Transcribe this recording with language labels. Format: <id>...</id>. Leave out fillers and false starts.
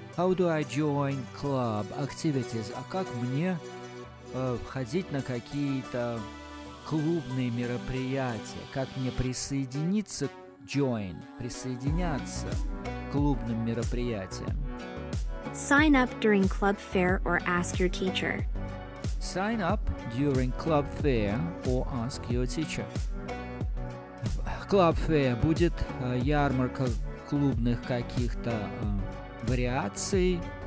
<en>How do I join club activities?</en> <ru>А как мне входить на какие-то клубные мероприятия? Как мне присоединиться, join, присоединяться к клубным мероприятиям?</ru> <en>Sign up during club fair or ask your teacher. Sign up during club fair or ask your teacher.</en> <ru>Club fair будет ярмарка клубных каких-то вариаций.</ru>